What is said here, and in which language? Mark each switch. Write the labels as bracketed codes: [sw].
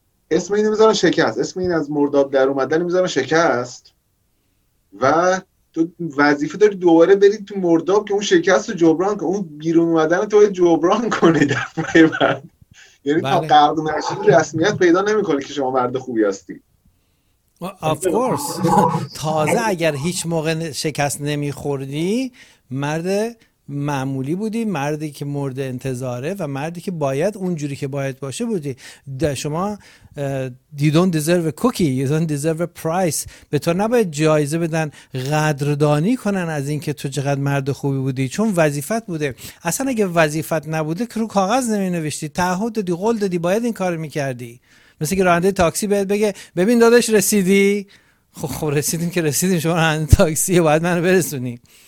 [fa] اسم اینو میذارن شکست، اسم این از مرداب در اومدن میذارن شکست و تو وظیفه داری دوباره بری تو مرداب که اون شکست رو جبران کنه، اون بیرون اومدن رو تو جبران کنه دفعه بعد، یعنی بله. تا قرد نشید رسمیت پیدا نمی کنه که شما مرد خوبی هستی. [en] Of course. [fa] تازه اگر هیچ موقع شکست نمی خوردی مرد معمولی بودی، مردی که مورد انتظاره و مردی که باید اونجوری که باید باشه بودی. شما [en] you don't deserve a cookie, you don't deserve a prize. [fa] به تو نباید جایزه بدن، قدردانی کنن از اینکه تو چقدر مرد خوبی بودی، چون وظیفت بوده. اصلا اگه وظیفت نبوده که رو کاغذ نمی نوشتی، تعهد دادی، قول دادی باید این کار میکردی. مثل که راننده تاکسی بهت بگه ببین داداش رسیدی؟ خب رسیدیم که رسیدیم، شما راننده تاکسی باید منو برسونی.